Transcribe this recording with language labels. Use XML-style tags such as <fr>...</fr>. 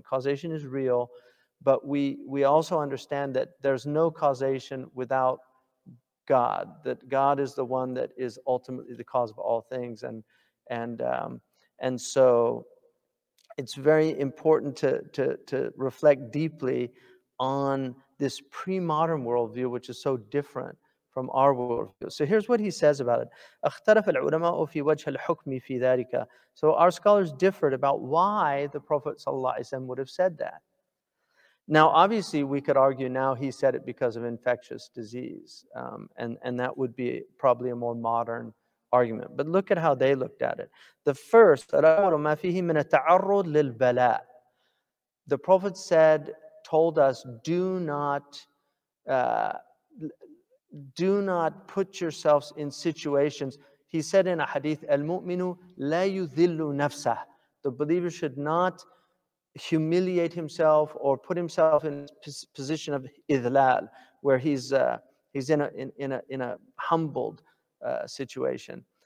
<en>Causation is real, but we also understand that there's no causation without God, that God is the one that is ultimately the cause of all things. And so it's very important to reflect deeply on this pre-modern worldview, which is so different from our worldview. So here's what he says about it.</en> <ar>اختلف العلماء في وجه الحكم في ذلك.</ar> <en>So our scholars differed about why the Prophet ﷺ would have said that. Now, obviously, we could argue now he said it because of infectious disease, and that would be probably a more modern argument. But look at how they looked at it. The first,</en> <ar>العلماء فيه من التعرض للبلاء.</ar> <en>The Prophet said, told us, do not put yourselves in situations. He said in a hadith,</en> <ar>"Al-mu'minu la yudhillu nafsah."</ar> <en>The believer should not humiliate himself or put himself in position of idhlal, where he's in a humbled situation.</en>